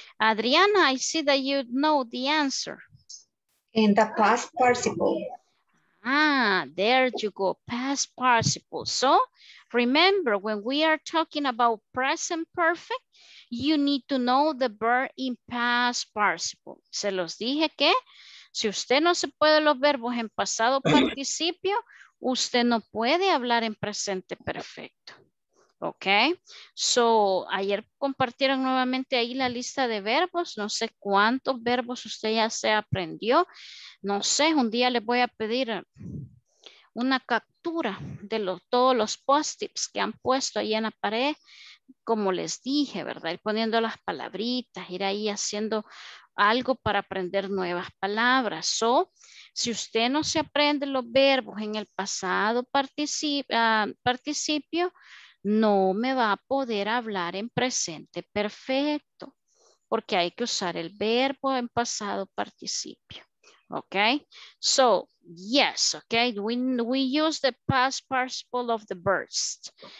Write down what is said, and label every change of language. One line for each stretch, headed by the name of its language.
English: Adriana, I see that you know the answer. In the past participle. There you go, past participle. So remember, when we are talking about present perfect, you need to know the verb in past participle.
Spanish: Se los dije que si usted no se puede los verbos en pasado participio, usted no puede hablar en presente perfecto. Ok, so ayer compartieron nuevamente ahí la lista de verbos, no sé cuántos verbos usted ya se aprendió, no sé, un día les voy a pedir una captura de todos los post-its que han puesto ahí en la pared, como les dije, ¿verdad? Ir poniendo las palabritas, ir ahí haciendo algo para aprender nuevas palabras, so si usted no se aprende los verbos en el pasado participio, no me va a poder hablar en presente perfecto, porque hay que usar el verbo en pasado participio.
English: Okay, so yes, okay, we use the past participle of the birds.